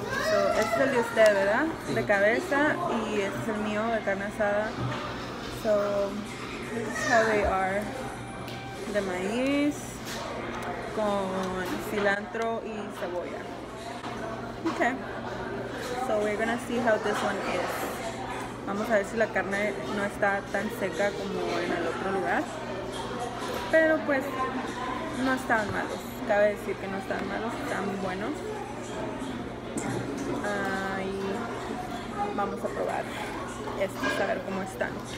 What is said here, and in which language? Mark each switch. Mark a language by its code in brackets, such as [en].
[es] So este es el de usted, ¿verdad? Sí. De cabeza. Y este es el mío de carne asada. [en] So this is how they are. [es] De maíz con cilantro y cebolla. [en] Okay. So we're gonna see how this one is. [es] Vamos a ver si la carne no está tan seca como en el otro lugar. Pero pues no están malos. Cabe decir que no están malos, están buenos. Y vamos a probar estos a ver cómo están.